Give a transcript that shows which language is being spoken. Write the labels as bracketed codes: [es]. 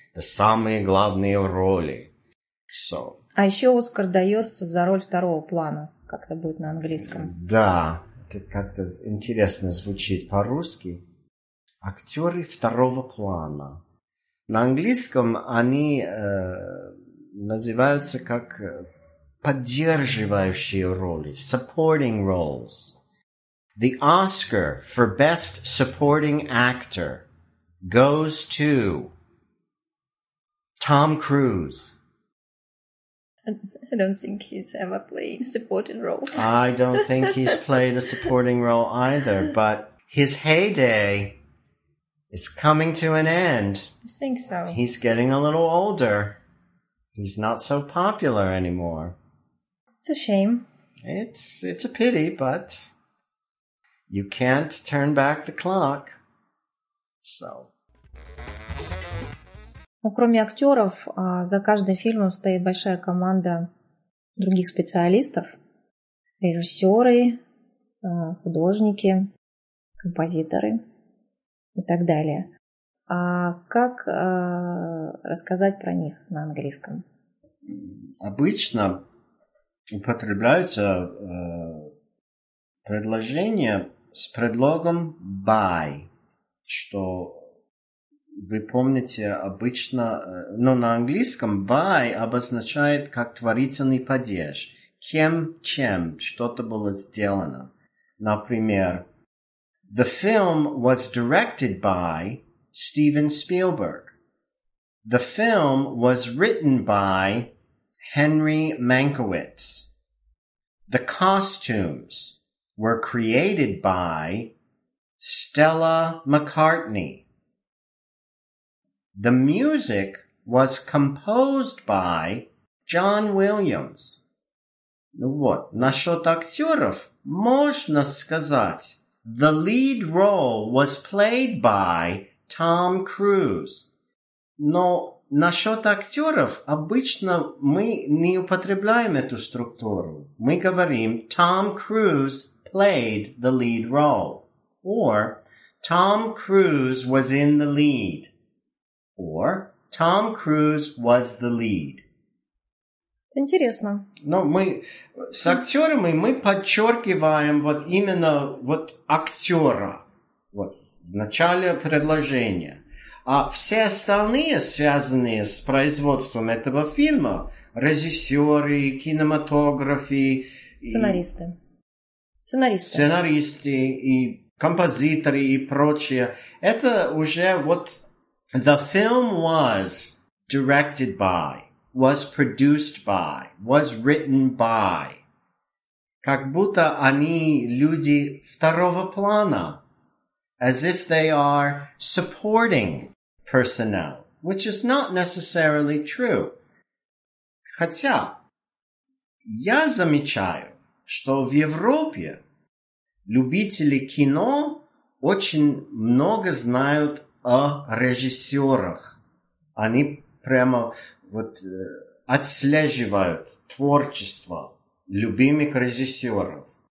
[ru] Это самые главные роли. [en] So. [ru] А еще Оскар дается за роль второго плана. Как-то будет на английском. Да, это как-то интересно звучит по-русски. Актеры второго плана. На английском они называются как поддерживающие роли. [en] Supporting roles. The Oscar for Best Supporting Actor goes to... Tom Cruise. I don't think he's ever played supporting roles. I don't think he's played a supporting role either, but his heyday is coming to an end. I think so. He's getting a little older. He's not so popular anymore. It's a shame. It's a pity, but you can't turn back the clock. So... [ru] Ну, кроме актеров, за каждым фильмом стоит большая команда других специалистов. Режиссеры, художники, композиторы. и так далее. А как рассказать про них на английском? Обычно употребляются предложения с предлогом by, что вы помните обычно, но на английском by обозначает как творительный падеж. Кем, чем что-то было сделано. Например, [en] the film was directed by Steven Spielberg. The film was written by Henry Mankiewicz. The costumes were created by Stella McCartney. The music was composed by John Williams. [ru] Ну вот, насчет актеров можно сказать. [en] The lead role was played by Tom Cruise. [ru] Но насчет актеров обычно мы не употребляем эту структуру. Мы говорим [en] Tom Cruise played the lead role. Or Tom Cruise was in the lead. Or Tom Cruise was the lead. [ru] Интересно. Но мы с актерами мы подчеркиваем вот именно вот актера вот в начале предложения. А все остальные, связанные с производством этого фильма, режиссеры, кинематографы... Сценаристы. Сценаристы. Сценаристы и композиторы и прочее. Это уже вот... [en] The film was directed by, was produced by, was written by. [ru] Как будто они люди второго плана. [en] As if they are supporting personnel, which is not necessarily true. [ru] Хотя, я замечаю, что в Европе любители кино очень много знают о режиссерах. Они прямо вот отслеживают творчество любимых режиссеров.